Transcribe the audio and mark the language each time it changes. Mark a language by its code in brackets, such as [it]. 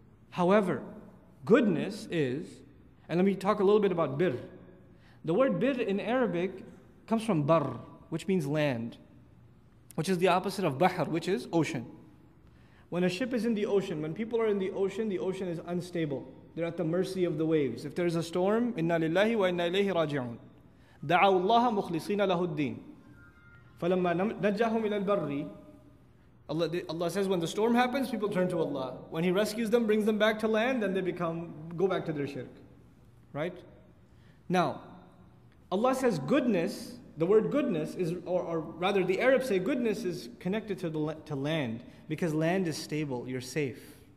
[en] However, goodness is, and let me talk a little bit about birr. The word birr in Arabic comes from barr, which means land, which is the opposite of bahr, which is ocean. When a ship is in the ocean, when people are in the ocean is unstable. They're at the mercy of the waves. If there is a storm, [ar] إِنَّا لِلَّهِ وَإِنَّا إِلَيْهِ رَاجِعُونَ دَعَوُ اللَّهَ مُخْلِصِينَ لَهُ الدِّينَ فَلَمَّا نَجَّاهُمْ إِلَى الْبَرِّ. [en] Allah says when the storm happens, people turn to Allah. When He rescues them, brings them back to land, then they go back to their shirk. Right? Now, Allah says goodness, the word goodness is, or rather the Arabs say goodness is connected to land, because land is stable, you're safe.